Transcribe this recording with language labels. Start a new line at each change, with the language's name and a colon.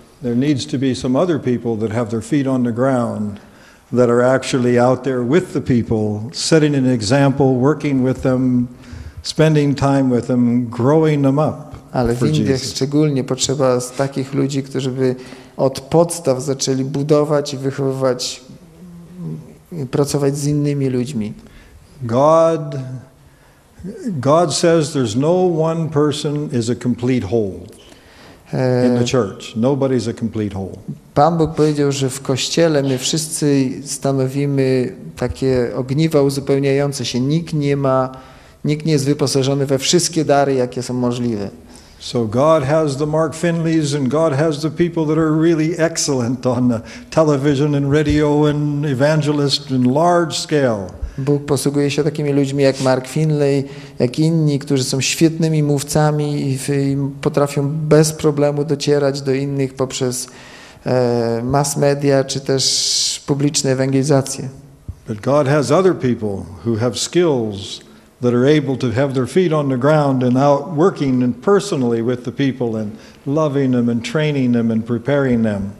English: There needs to be some other people that have their feet on the ground, that are actually out there with the people, setting an example, working with them, spending time with them, growing them up.
Polish: Ale w Indiach szczególnie potrzeba z takich ludzi, którzy by od podstaw zaczęli budować i wychowywać, i pracować z innymi ludźmi.
English: God says there's no one person is a complete whole. In the church, nobody's a complete whole.
Polish: Pan Bóg powiedział, że w kościele my wszyscy stanowimy takie ogniwa uzupełniające się. Nikt nie jest wyposażony we wszystkie dary, jakie są możliwe.
English: So God has the Mark Finleys and God has the people that are really excellent on the television and radio and evangelist in large scale.
Polish: Bóg posługuje się takimi ludźmi jak Mark Finley, jak inni, którzy są świetnymi mówcami i potrafią bez problemu docierać do innych poprzez mass media czy też publiczne ewangelizacje.
English: But God has other people who have skills that are able to have their feet on the ground and out working and personally with the people and loving them and training them and preparing them.